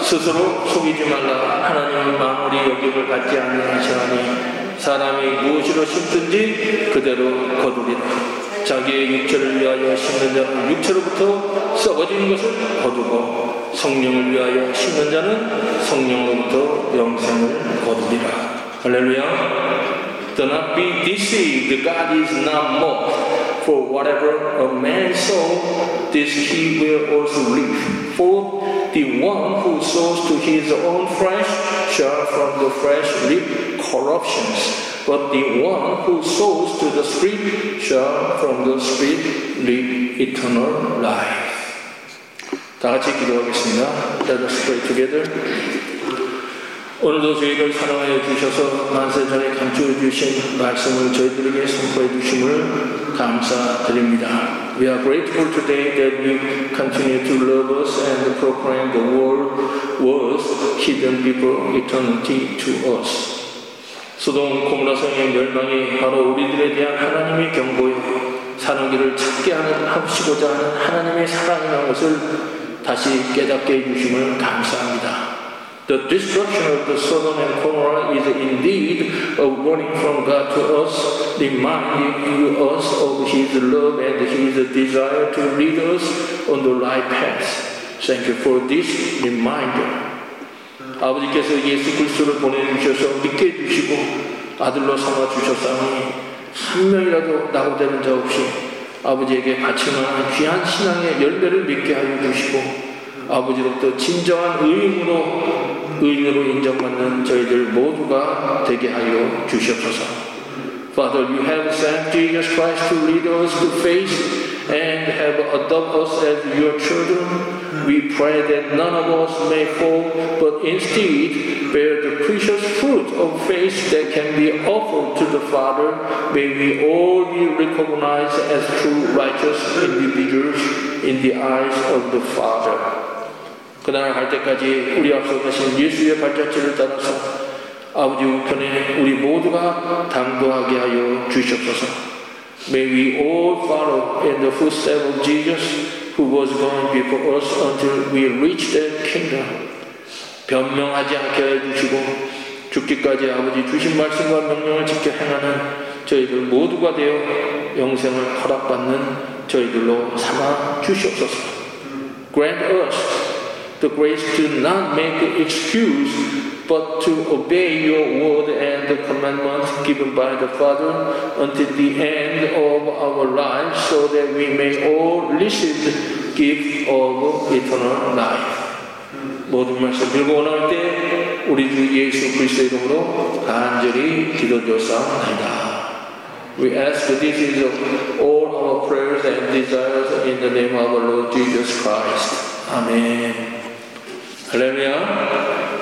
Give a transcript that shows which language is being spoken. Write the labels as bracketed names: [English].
[Korean] 스스로 속이지 말라. 하나님은 만물이 욕욕을 받지 아니하시나니 사람이 무엇으로 심든지 그대로 거두리라. 자기의 육체를 위하여 심는 자는 육체로부터 썩어진 것을 거두고 성령을 위하여 심는 자는 성령으로부터 영생을 거두리라. 할렐루야. [English] Do not be deceived. God is not mocked. For whatever a man sow, this he will also reap. For the one who sows to his own flesh shall from the flesh reap corruptions. But the one who sows to the Spirit shall from the Spirit reap eternal life. [Korean] 다 같이 기도하겠습니다. [English] Let us pray together. [Korean] 오늘도 저희를 사랑해 주셔서 만세 전에 감추어 주신 말씀을 저희들에게 선포해 주심을 감사드립니다. [English] We are grateful today that you continue to love us and proclaim the world was hidden before eternity to us. [Korean] 소돔 고모라성의 멸망이 바로 우리들에 대한 하나님의 경고요 사는 길을 찾게 하시고자 하는 하나님의 사랑이라는 것을 다시 깨닫게 해 주심을 감사합니다. [English] The destruction of the Sodom and Gomorrah is indeed a warning from God to us, reminding us of His love and His desire to lead us on the right path. Thank you for this reminder. [Korean] 아버지께서 예수 그리스도를 보내주셔서 믿게 해주시고 아들로 삼아주셨사오니 한 명이라도 낙오되는 자 없이 아버지에게 바치는 귀한 신앙의 열매를 믿게 하여 주시고 아버지로부터 진정한 의인으로 인정받는 저희들 모두가 되게 하여 주시옵소서. [English] Father, you have sent Jesus Christ to lead us to faith and have adopted us as your children. We pray that none of us may fall, but instead bear the precious fruit of faith that can be offered to the Father. May we all be recognized as true righteous individuals in the eyes of the Father. [Korean] 그날 갈 때까지 우리 앞서 가신 예수의 발자취를 따라서 아버지 우편에 우리 모두가 당도하게 하여 주시옵소서. [English] May we all follow in the footsteps of Jesus who was going before us until we reach the kingdom. [Korean] 변명하지 않게 해주시고 죽기까지 아버지 주신 말씀과 명령을 지켜 행하는 저희들 모두가 되어 영생을 허락받는 저희들로 삼아 주시옵소서. [English] Grant us the grace to not make excuse but to obey your word and the commandments given by the Father until the end of our lives so that we may all receive the gift of eternal life. [Korean] 모든 말씀 들고 나올 때 우리 주 예수 그리스도 이름으로 간절히 기도드렸사옵나이다. [English] We ask that this is of all our prayers and desires in the name of our Lord Jesus Christ. Amen. Hallelujah.